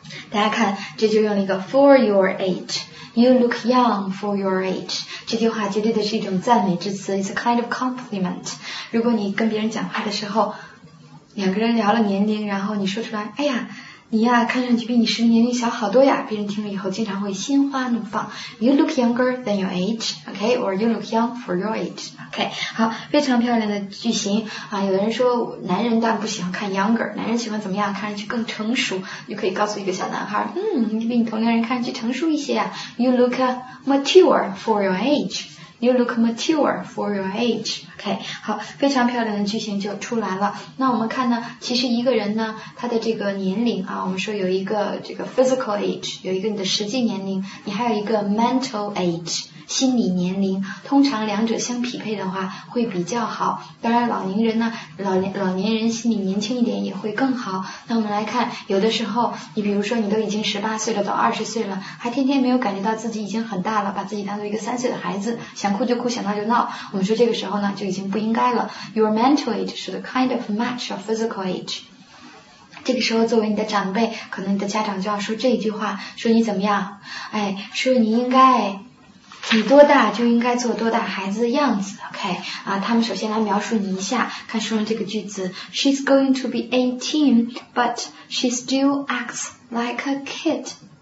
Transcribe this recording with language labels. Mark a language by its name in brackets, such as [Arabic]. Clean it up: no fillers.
[Chinese] 大家看，这就用了一个 [English] for your age. You look young for your age. [Chinese] 这句话绝对的是一种赞美之词， [English] It's a kind of compliment. [Chinese] 如果你跟别人讲话的时候，两个人聊了年龄，然后你说出来，哎呀，你呀，看上去比你实际年龄小好多呀，别人听了以后经常会心花怒放。 [English] You look younger than your age, okay? Or you look young for your age, okay? [Chinese] 好，非常漂亮的句型啊！有人说，男人但不喜欢看 younger, 男人喜欢怎么样？看上去更成熟。就可以告诉一个小男孩，嗯，你比你同龄人看上去成熟一些呀。 [English] You look mature for your age. You look mature for your age. [Chinese] OK, 好，非常漂亮的句型就出来了。那我们看呢，其实一个人呢，他的这个年龄啊，我们说有一个这个 physical age, 有一个你的实际年龄，你还有一个 mental age, 心理年龄。通常两者相匹配的话会比较好。当然老年人呢，老年人心理年轻一点也会更好。那我们来看，有的时候你比如说你都已经18岁了，都20岁了，还天天没有感觉到自己已经很大了，把自己当作一个3岁的孩子，想哭就哭，想闹就闹。我们说这个时候呢，就已经不应该了。 [English] Your mental age should kind of match your physical age. [Chinese] 这个时候，作为你的长辈，可能你的家长就要说这一句话，说你怎么样？哎，说你应该你多大就应该做多大孩子的样子 ，OK？啊，他们首先来描述你一下，看书中这个句子 [English] ，She's going to be 18, but she still acts like a kid.